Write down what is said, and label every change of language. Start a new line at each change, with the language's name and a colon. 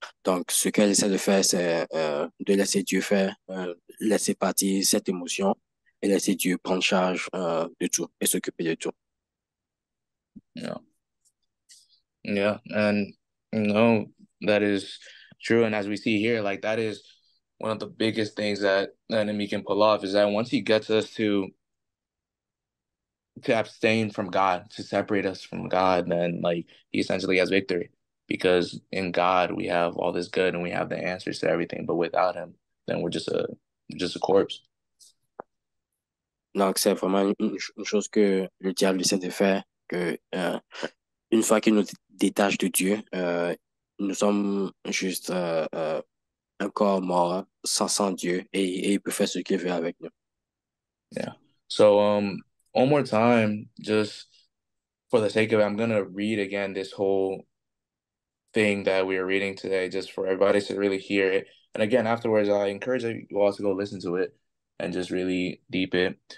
French: Donc ce qu'elle essaie de faire, c'est de laisser Dieu faire, laisser partir cette émotion et laisser Dieu prendre charge de tout et s'occuper de tout.
English: Yeah, and you know, that is true, and as we see here, like that is one of the biggest things that the enemy can pull off, is that once he gets us to abstain from God, to separate us from God, then like he essentially has victory, because in God we have all this good and we have the answers to everything, but without him, then we're just a corpse.
French: Donc c'est vraiment une chose que le diable essaie de faire, que une fois qu'il nous détache de Dieu, nous sommes juste un corps mort sans Dieu, et il peut faire ce qu'il veut avec nous.
English: Yeah. So one more time, just for the sake of it, I'm gonna read again this whole thing that we are reading today, just for everybody to really hear it. And again, afterwards, I encourage you all to go listen to it and just really deep it.